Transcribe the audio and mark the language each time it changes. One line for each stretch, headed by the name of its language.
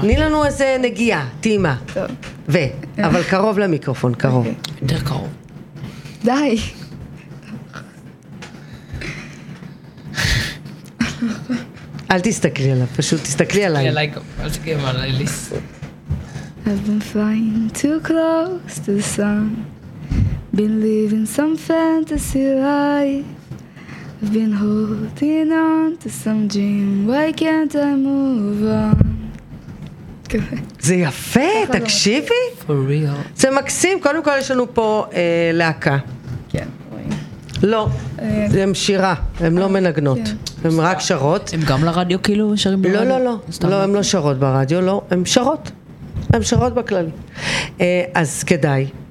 Hebrew: תני לנו איזה נגיעה, טעימה. טוב. ו, אבל קרוב למיקרופון, קרוב. יותר קרוב. די. אל תסתכלי עליו, פשוט תסתכלי עליי. תסתכלי עליי, אל תסתכלי עליי, אליס.
English: I've been flying too close to the sun. Been living some fantasy life. I've been holding on to some dream, why can't I move on?
Hebrew: זה יפה, תקשיבי.
English: For real.
Hebrew: זה מקסים, קודם כל יש לנו פה להקה. כן, רואים. לא, הם שירה, הם לא מנגנות, הם רק שרות. הם גם לרדיו כאילו שרים ברדיו? לא, לא, לא, הם לא שרות ברדיו, לא, הם שרות. הם שרות בכלל. אז כדאי.